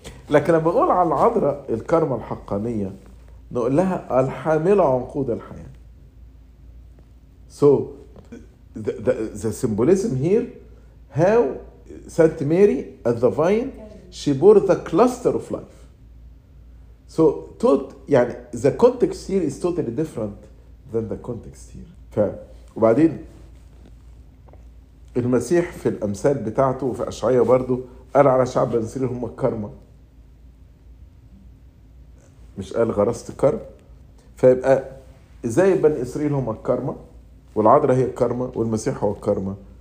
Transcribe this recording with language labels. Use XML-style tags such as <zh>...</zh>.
<ar>لكن لما بقول على العذراء الكرمة الحقانية نقول لها الحاملة عنقود الحياة.</ar> <en>So the symbolism here how Saint Mary at the vine she bore the cluster of life. So</en> <ar>يعني</ar> <en>the context here is totally different than the context here.</en> <ar>وبعدين المسيح في الأمثال بتاعته وفي أشعياء برضو قال على شعب بنسير هم الكرمة, مش قال غرست كرم. فيبقى إزاي بني إسرائيل هم الكرمة والعذراء هي الكرمة والمسيح هو الكرمة.</ar>